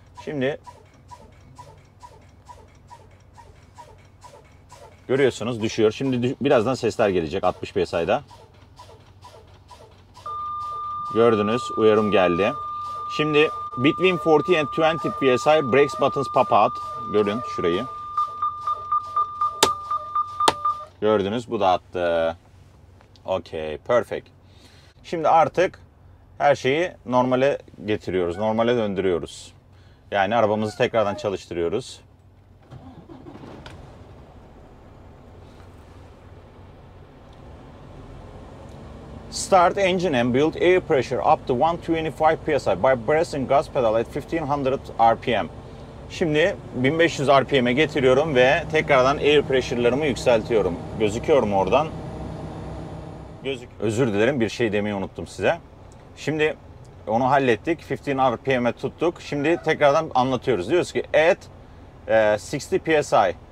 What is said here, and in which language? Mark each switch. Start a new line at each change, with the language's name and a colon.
Turkish: Şimdi görüyorsunuz düşüyor. Şimdi birazdan sesler gelecek 60 PSI'da. Gördünüz, uyarım geldi.
English: Şimdi between 40 and 20 PSI brakes buttons pop out.
Turkish: Görün şurayı. Gördünüz, bu da attı.
English: Okay, perfect.
Turkish: Şimdi artık her şeyi normale getiriyoruz, normale döndürüyoruz. Yani arabamızı tekrardan çalıştırıyoruz.
English: Start engine and build air pressure up to 125 PSI by pressing gas pedal at 1500 RPM.
Turkish: Şimdi 1500 RPM'e getiriyorum ve tekrardan air pressure'larımı yükseltiyorum. Gözüküyor mu oradan? Gözüküyor. Özür dilerim, bir şey demeyi unuttum size. Şimdi onu hallettik. 15 RPM'e tuttuk. Şimdi tekrardan anlatıyoruz. Diyoruz ki
English: at 60 PSI